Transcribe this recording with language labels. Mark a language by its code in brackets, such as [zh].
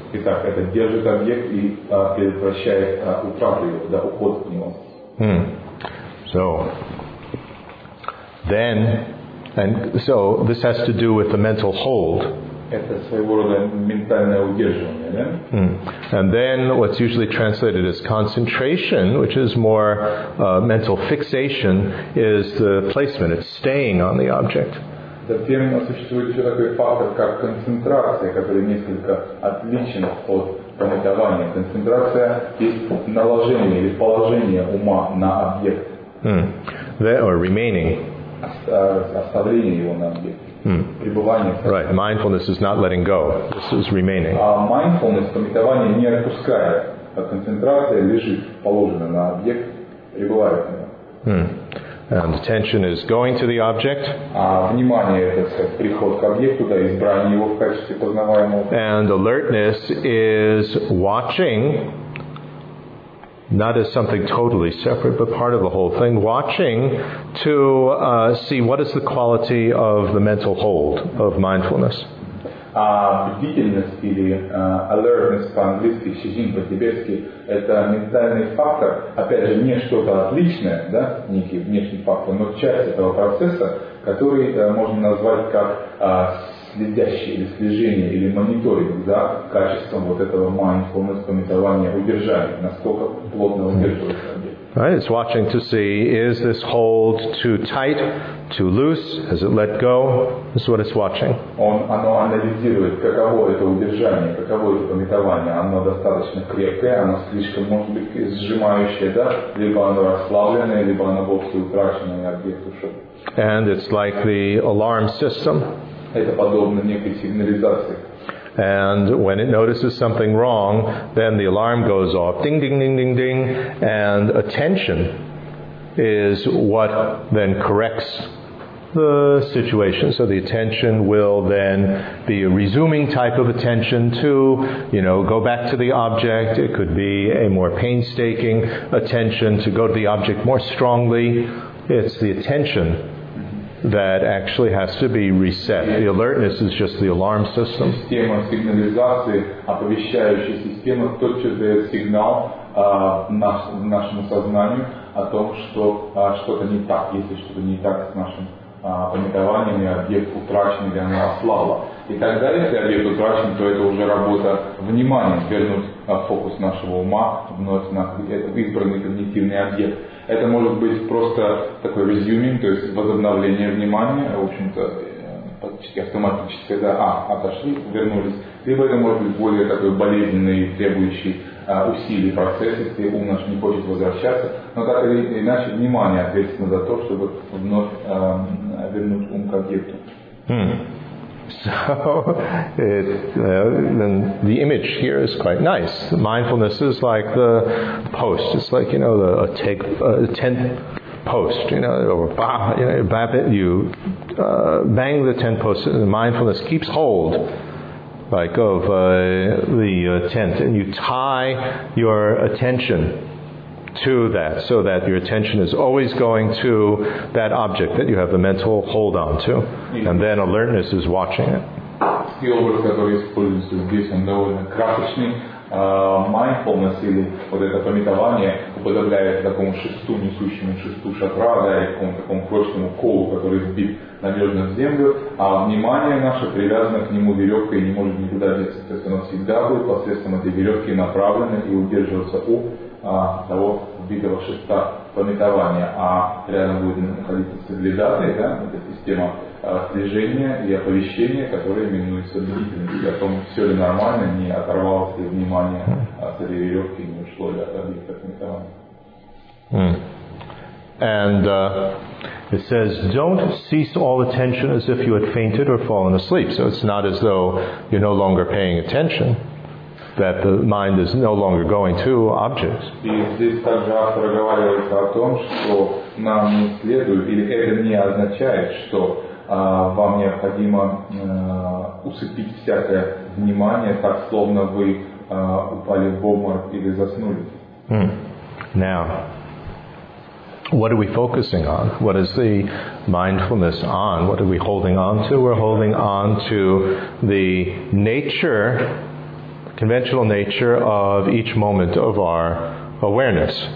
[ru] Итак, это держит объект и предотвращает утрату его, да, уход от него. [en] So then, and so this has to do with the mental hold. [ru] Это своего рода ментальное удерживание, да? [en] And then what's usually translated as concentration, which is more mental fixation, is the placement, it's staying on the object. [ru] Затем существует еще такой фактор, как концентрация, который несколько отличен от пометования. Концентрация и наложение или положение ума на объект. [en] Or remaining. [ru] Оставление его на объект. Пребывание. [en] Right. Mindfulness is not letting go. This is remaining. [ru] Mindfulness, пометование не отпускает. А концентрация лежит, положена на объект, пребывает на нем. [en] And attention is going to the object. [ru] Внимание это приход к объекту, да, избрание его в качестве познаваемого. [en] And alertness is watching, not as something totally separate, but part of the whole thing, watching to see what is the quality of the mental hold of mindfulness. [ru] Бдительность или alertness по-английски, shijin по-тибетски, это ментальный фактор, опять же, не что-то отличное, да, некий внешний фактор, но часть этого процесса, который можно назвать как следящий или слежение, или мониторинг за качеством вот этого mindfulness, пометования, удержания, насколько плотно удерживается объект. [en] Right? It's watching to see, is this hold too tight, too loose? Has it let go? This is what it's watching. [ru] Оно анализирует, каково это удержание, каково это пометование. Оно достаточно крепкое, оно слишком, может быть, сжимающее, да? Либо оно расслабленное, либо оно вовсе утрачено, и объект ушел. [en] And it's like the alarm system. [ru] Это подобно некой сигнализации. [en] And when it notices something wrong, then the alarm goes off, ding, ding, ding, ding, ding, and attention is what then corrects the situation. So the attention will then be a resuming type of attention to, you know, go back to the object. It could be a more painstaking attention to go to the object more strongly. It's the attention that actually has to be reset. The alertness is just the alarm system. [ru] Система сигнализации, оповещающая система, тотчас дает сигнал нашему сознанию о том, что что-то не так, если что-то не так с нашим пометованием, и объект утрачен или оно ослабло. И тогда, если объект утрачен, то это уже работа внимания, вернуть фокус нашего ума вновь на избранный когнитивный объект. Это может быть просто такой resuming, то есть возобновление внимания, в общем-то, практически автоматически, да, отошли, вернулись. Либо это может быть более такой болезненный, требующий усилий процесс, если ум наш не хочет возвращаться. Но так или иначе, внимание ответственно за то, чтобы вновь вернуть ум к объекту. [en] So, the image here is quite nice. Mindfulness is like the post. It's like, you know, a tent post. You know, or bah, you know, bap it, you bang the tent post, and mindfulness keeps hold, like of the tent, and you tie your attention to that, so that your attention is always going to that object that you have the mental hold on to, and then alertness is watching it. The [ru] образ, который используется здесь, он довольно красочный. Mindfulness, или вот это пометование, уподобляет такому шесту, несущему шесту шатра, да, и такому прочному колу, который вбит надежно в землю, а внимание наше привязано к нему веревкой и не может никуда деться. То есть оно всегда будет посредством этой веревки направлено и удерживаться у того вбитого шеста пометования, а рядом будет находиться стабилизация, да, эта система слежения и оповещения, которая именуется длительностью, о том, все ли нормально, не оторвалось ли внимание от этой веревки, не ушло ли от объекта пометования. [en] And it says, don't cease all attention as if you had fainted or fallen asleep. So it's not as though you're no longer paying attention, that the mind is no longer going to objects. [ru] И здесь также автор говорит о том, что нам не следует, или это не означает, что вам необходимо усыпить всякое внимание, так словно вы упали в обморок или заснули. [en] Now, what are we focusing on? What is the mindfulness on? What are we holding on to? We're holding on to the nature, conventional nature of each moment of our awareness.